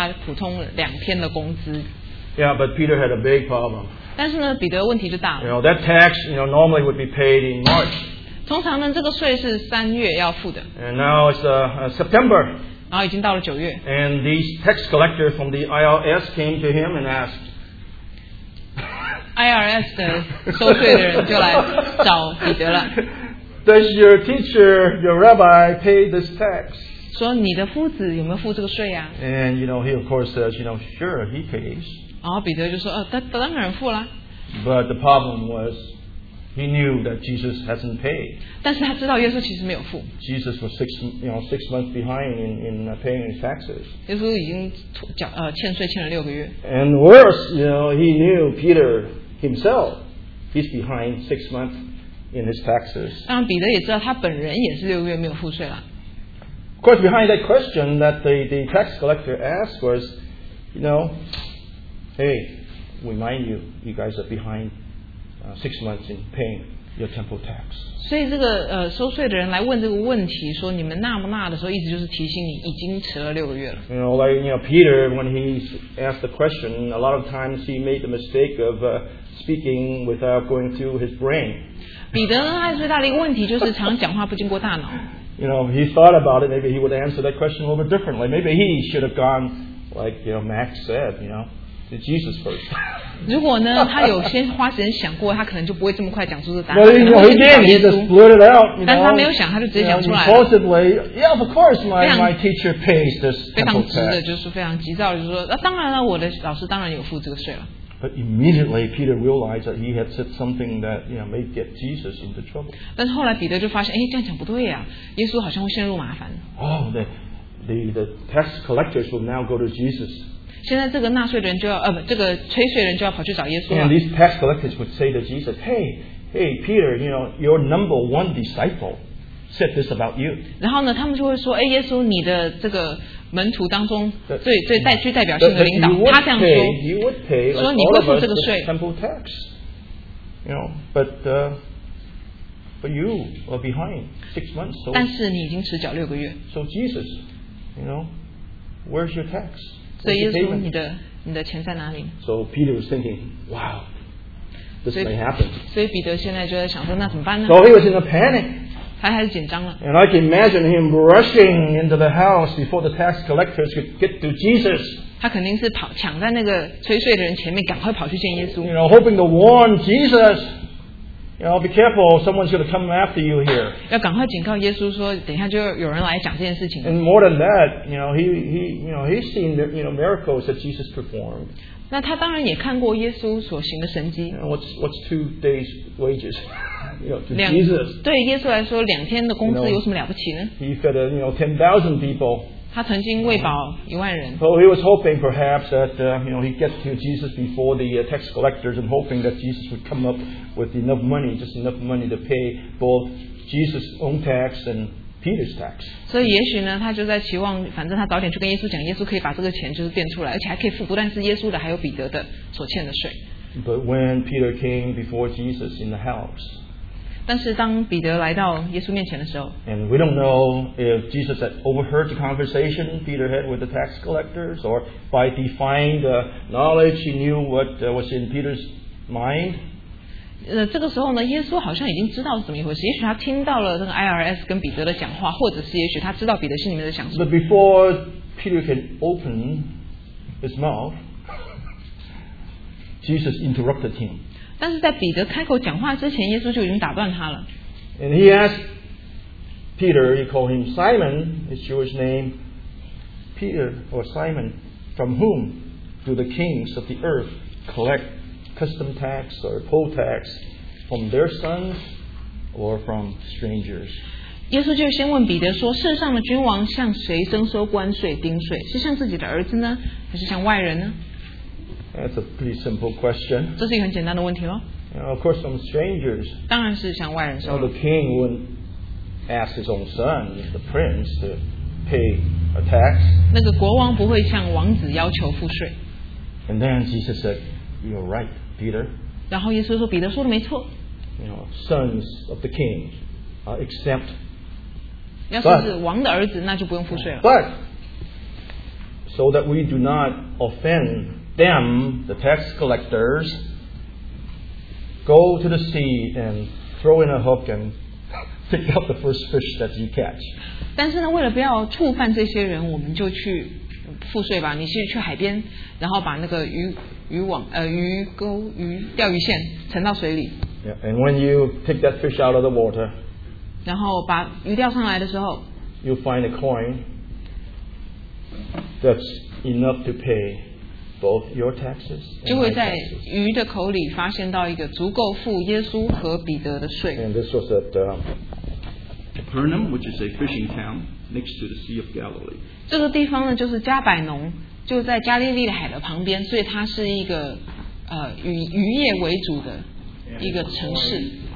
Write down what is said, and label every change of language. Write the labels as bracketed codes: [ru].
[zh] 那么其实呢，在耶稣那个时代，他们的税也是差不多的，就是一个人他普通两天的工资。 [en] Yeah, but Peter had a big problem. [zh] 但是呢，彼得问题就大了。 [en] That tax, normally would be paid in March. [zh] 通常呢，这个税是三月要付的。 [en] And now it's September. [zh] 然后已经到了九月。 [en] And these tax collectors from the IRS came to him and asked. [zh] IRS的收税的人就来找彼得了。 [en] Does your teacher, your rabbi, pay this tax? [zh] 说你的夫子有没有付这个税啊？ [en] And he of course says, sure, he pays. [zh] 然后彼得就说，当然付了。 [en] But the problem was, he knew that Jesus hasn't paid. [zh] 但是他知道耶稣其实没有付。 [en] Jesus was six months behind in paying his taxes. [zh] 耶稣已经欠税欠了六个月。 [en] And worse, he knew Peter himself, he's behind 6 months in his taxes. [zh] 当然彼得也知道他本人也是六个月没有付税了。 [en] Of course, behind that question that the tax collector asked was, hey, remind you guys are behind 6 months in paying your temple tax. [zh] 所以这个收税的人来问这个问题，说你们纳不纳的时候，意思就是提醒你已经迟了六个月了。 [en] Peter, when he asked the question, a lot of times he made the mistake of speaking without going through his brain. [zh] 彼得呢，他最大的一个问题就是常常讲话不经过大脑。 [en] He thought about it. Maybe he would answer that question a little bit differently. Maybe he should have gone like Max said. to Jesus first. [zh] 如果呢，他有先花时间想过，他可能就不会这么快讲出这答案。 [en] But in your head, he just blurted it out. You know, [zh] 但是他没有想，他就直接讲出来了。 [en] Impulsively, yeah, of course, my teacher pays this temple tax. [zh] 非常急的，就是非常急躁的，就是说，那、啊、当然了，我的老师当然有付这个税了。 [en] But immediately Peter realized that he had said something that you know may get Jesus into trouble. [zh] 但是后来彼得就发现，哎，这样讲不对呀、啊，耶稣好像会陷入麻烦。 [en] Oh, the tax collectors will now go to Jesus. [zh] 现在这个纳税人就要不，这个催税人就要跑去找耶稣了。 [en] And these tax collectors would say to Jesus, "Hey, Peter, you know your number one disciple said this about you." [zh] 然后呢，他们就会说，哎，耶稣，你的这个。门徒当中最最带具代表性的领导，他这样说，说你会付这个税。 [en] Temple tax, you know, but you are behind 6 months. [zh] 但是你已经迟缴六个月。 [en] So Jesus, you know, where's your tax? [zh] 所以耶稣，你的钱在哪里 [en] ？So Peter was thinking, wow, this may happen. [zh] 所以彼得现在就在想说，那怎么办呢 [en] ？So he was in a panic. And I can imagine him rushing into the house before the tax collectors could get to Jesus. [zh] 他肯定是跑抢在那个催税的人前面，赶快跑去见耶稣。 [en] You know, hoping to warn Jesus. You know, be careful, someone's going to come after you here. [zh] 要赶快警告耶稣说，等一下就有人来讲这件事情。 [en] And more than that, you know, he's seen the you know miracles that Jesus performed. [zh] 那他当然也看过耶稣所行的神迹。 [en] You know, what's 2 days' wages? You know, to Jesus, [zh] 对耶稣来说，两天的工资有什么了不起呢 [en] ？He fed you know 10,000 people. [zh] 他曾经喂饱10,000人。 [en] So he was hoping perhaps that you know he gets to Jesus before the tax collectors and hoping that Jesus would come up with enough money, just enough money to pay both Jesus' own tax and Peter's tax. [zh] 所以也许呢，他就在期望，反正他早点去跟耶稣讲，耶稣可以把这个钱就是垫出来，而且还可以付不但是耶稣的，还有彼得的所欠的税。 [en] But when Peter came before Jesus in the house. [zh] 但是当彼得来到耶稣面前的时候 [en] ，And we don't know if Jesus had overheard the conversation Peter had with the tax collectors, or by defined knowledge he knew what was in Peter's mind. [zh] 这个时候呢，耶稣好像已经知道是怎么一回事。也许他听到了那个 IRS 跟彼得的讲话，或者是也许他知道彼得心里面的想法。 [en] But before Peter can open his mouth, Jesus interrupted him. [zh] 但是在彼得开口讲话之前，耶稣就已经打断他了。 [en] And he asked Peter, he called him Simon, his Jewish name, Peter or Simon, from whom do the kings of the earth collect custom tax or poll tax from their sons or from strangers? [zh] 耶稣就先问彼得说：“世上的君王向谁征收关税、丁税？是向自己的儿子呢，还是向外人呢？” [en] That's a pretty simple question. [zh] 这是一个很简单的问题哦。 [en] You know, of course, from strangers. [zh] 当然是向外人收。 [en] Now the king wouldn't ask his own son, the prince, to pay a tax. [zh] 那个国王不会向王子要求赋税。 [en] And then Jesus said, "You're right, Peter." [zh] 然后耶稣说，彼得说的没错。 [en] You know, sons of the king are exempt. [zh] 要说是王的儿子，那就不用赋税了。 [en] But so that we do not offend. Them, the tax collectors, go to the sea and throw in a hook and pick up the first fish that you catch. [zh] 但是呢，为了不要触犯这些人，我们就去赋税吧。你去海边，然后把那个钓鱼线沉到水里。 [en] Yeah, and when you take that fish out of the water, [zh] 然后把鱼钓上来的时候 [en] you find a coin that's enough to pay. Both your taxes. [zh] 就会在鱼的口里发现到一个足够付耶稣和彼得的税。 [en] And this was at Capernaum, which is a fishing town next to the Sea of Galilee. [zh] 这个地方呢，就是加百农，就在加利利海的旁边，所以它是一个渔业为主的一个城市。